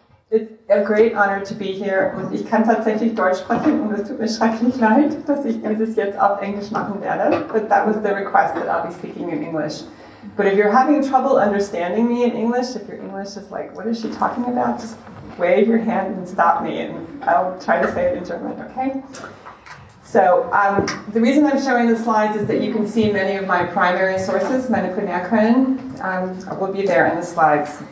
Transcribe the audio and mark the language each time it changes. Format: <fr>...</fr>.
<en>It's a great honor to be here.</en> <de>Und ich kann tatsächlich Deutsch sprechen, und es tut mir schrecklich leid, dass ich es jetzt auf Englisch machen werde.</de> <en>But that was the request, that I'll be speaking in English. But if you're having trouble understanding me in English, if your English is like, what is she talking about? Just wave your hand and stop me, and I'll try to say it in German, okay? So the reason I'm showing the slides is that you can see many of my primary sources,</en> <de>meine Quellen,</de> <en>will be there in the slides.</en>